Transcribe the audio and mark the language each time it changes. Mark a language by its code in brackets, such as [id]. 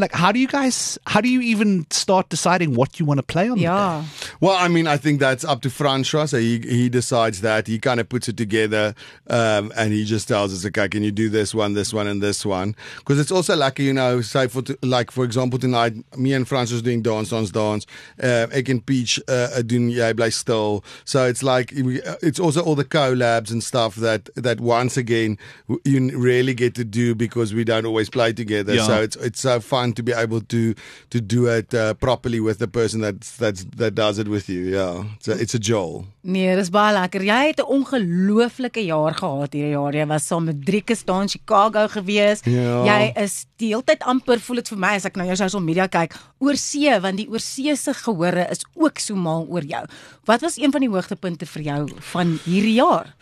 [en] Like, how do you even start deciding what you want to play on? Yeah. Well, I mean, I think that's up to Francois. So he decides that. He kind of puts it together, and he just tells us, okay, can you do this one, and this one? Because it's also like, you know, say for example, tonight, me and Francois doing dance. [af] Ek en Peach [en] doing [af] Jy Bly Stil. [en] So it's like, it's also all the collabs and stuff that once again, you really get to do because we don't always play together. Yeah. So it's so fun to be able to do it properly with the person that does it with you. Yeah, it's a joel. [af] Nee, dis baie lekker. Jy het 'n ongelooflike jaar gehad hierdie jaar. Jy was saam met Drieke staan in Chicago gewees. [en] Yeah. [af] Jy is deeltyd amper, voel het vir my as ek nou jou social media kyk, oorsee, want die oorseese gehore is ook so mal oor jou. Wat was een van die hoogtepunte vir jou van hierdie jaar?